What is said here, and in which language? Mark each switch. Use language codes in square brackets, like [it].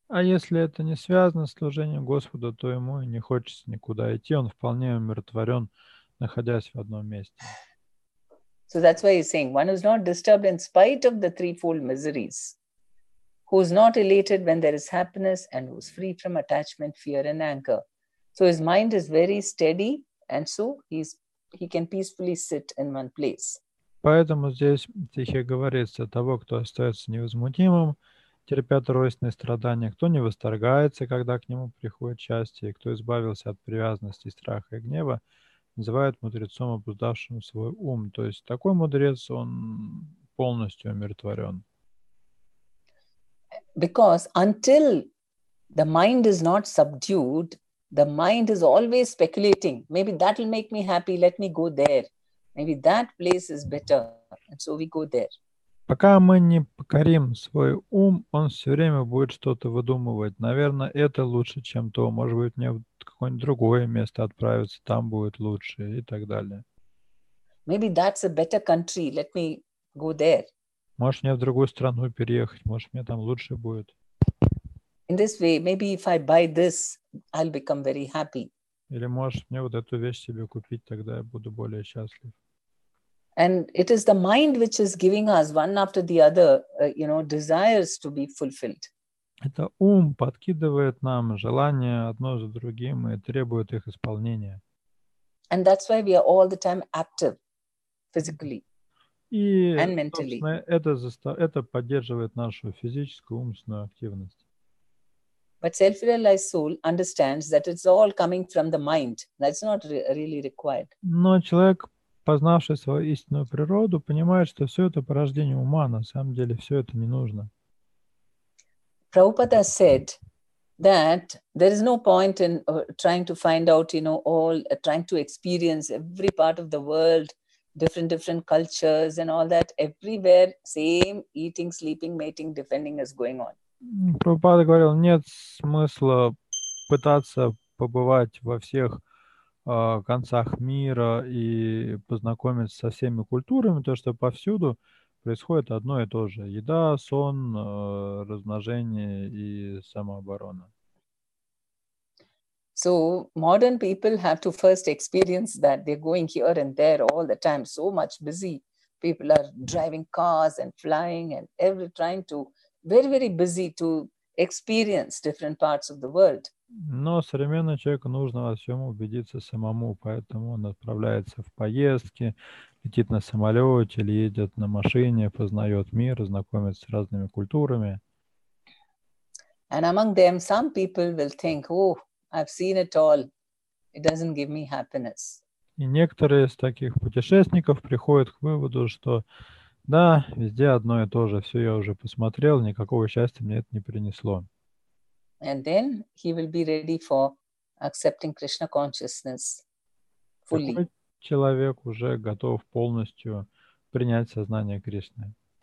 [ru] А если это не связано с служением Господу, то ему не хочется никуда идти. Он вполне умиротворен, находясь в одном месте. [en] So that's why he's saying, one who's not disturbed in spite of the threefold miseries, who's not elated when there is happiness, and who's free from attachment, fear, and anger. So his mind is very steady, and so he can peacefully sit in one place. [ru] Поэтому здесь тихо говорится, того, кто остается невозмутимым, терпя тройственные страдания, кто не восторгается, когда к нему приходит счастье, кто избавился от привязанности, страха и гнева, называют мудрецом, обуздавшим свой ум. То есть такой мудрец, он полностью умиротворен. [en] Because until the mind is not subdued, the mind is always speculating. Maybe that will make me happy, let me go there. Maybe that place is better. And so we go there. [ru] Пока мы не покорим свой ум, он все время будет что-то выдумывать. Наверное, это лучше, чем то. Может быть, мне в какое-нибудь другое место отправиться, там будет лучше и так далее. [en] Maybe that's a better country, let me go there. [ru] Может, мне в другую страну переехать, может, мне там лучше будет. [en] In this way, maybe if I buy this, I'll become very happy. [ru] Или можешь мне вот эту вещь себе купить, тогда я буду более счастлив. [en] And it is the mind which is giving us one after the other, desires to be fulfilled. [ru] Это ум подкидывает нам желания одно за другим и требует их исполнения. [en] And that's why we are all the time active physically and mentally. [ru] И это поддерживает нашу физическую умственную активность. [en] But self-realized soul understands that it's all coming from the mind. That's not really required. [ru] Но человек, познавший свою истинную природу, понимает, что все это порождение ума, на самом деле все это не нужно. [en] Prabhupada said that there is no point in trying to find out, trying to experience every part of the world, different cultures and all that, everywhere same eating, sleeping, mating, defending is going on. [ru] Prabhupada говорил, нет смысла пытаться побывать во всех концах мира и познакомиться со всеми культурами, то что повсюду происходит одно и то же: еда, сон, размножение и самооборона. [en] So modern people have to first experience that they're going here and there all the time, so much busy. People are driving cars and flying and every trying to very very busy to experience different parts of the world. [ru] Но современному человеку нужно во всем убедиться самому, поэтому он отправляется в поездки, летит на самолете или едет на машине, познает мир, знакомится с разными культурами. [en] And among them, some people will think, "Oh, I've seen it all. It doesn't give me happiness." [ru] И некоторые из таких путешественников приходят к выводу, что да, везде одно и то же, все я уже посмотрел, никакого счастья мне это не принесло. [en] And then he will be ready for accepting Krishna consciousness fully. [ru] Такой человек уже готов полностью принять сознание Кришны.